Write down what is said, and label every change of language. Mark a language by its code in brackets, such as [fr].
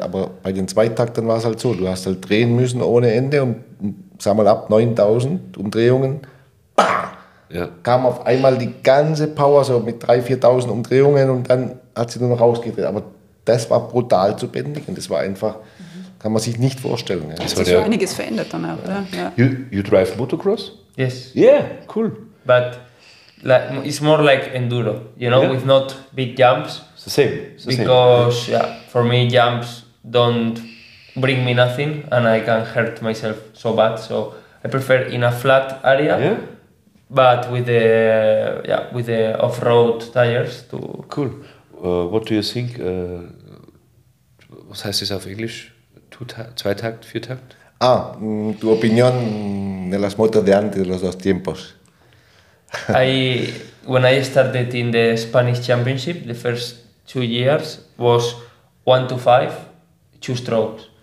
[de] Aber bei den Zweitaktern war es halt so, du hast halt drehen müssen ohne Ende und sag mal ab 9000 Umdrehungen, bah, kam auf einmal die ganze Power so mit 3.000, 4.000 Umdrehungen und dann hat sie nur noch rausgedreht. Aber das war brutal zu bändigen. Das war einfach, kann man sich nicht vorstellen. Es hat sich einiges verändert dann auch, oder? [en] You drive motocross? Yes. Yeah, cool. But like, it's more like enduro, you know, with not big jumps. It's the same. It's because, the same. Yeah, for me, jumps don't bring me nothing and I can hurt myself so bad. So I prefer in a flat area, but with the off-road tires. Cool. What do you think? [de] Was heißt das auf Englisch? Zweitakt, Viertakt? [es] Ah, tu opinión de las motos de antes, de los dos tiempos. [en] When I started in the Spanish Championship, the first 2 years was 1-5, two strokes.